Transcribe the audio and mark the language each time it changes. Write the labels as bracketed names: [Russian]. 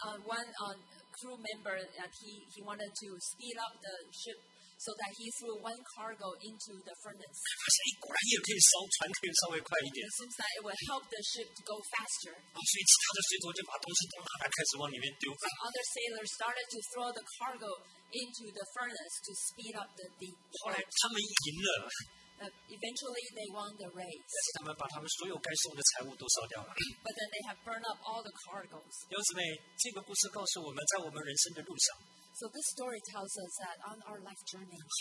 [English] then crew member he wanted to speed up the ship so that he threw one cargo into the furnace. [Chinese] 发现果然也可以烧，船可以稍微快一点。 [English] It seems that it will help the ship to go faster. [Chinese] 所以其他的水手就把东西都拿来开始往里面丢。 [English] So other sailors started to throw the cargo into the furnace to speed up the deep. [Chinese] 后来他们赢了。 [English] Eventually, they won the race. [Chinese] 他们把他们所有该送的财物都烧掉了。But [English] then they have burned up all the cargoes. [Chinese] 弟兄姊妹，这个故事告诉我们，在我们人生的路上。So [English] this story tells us that on our life journey,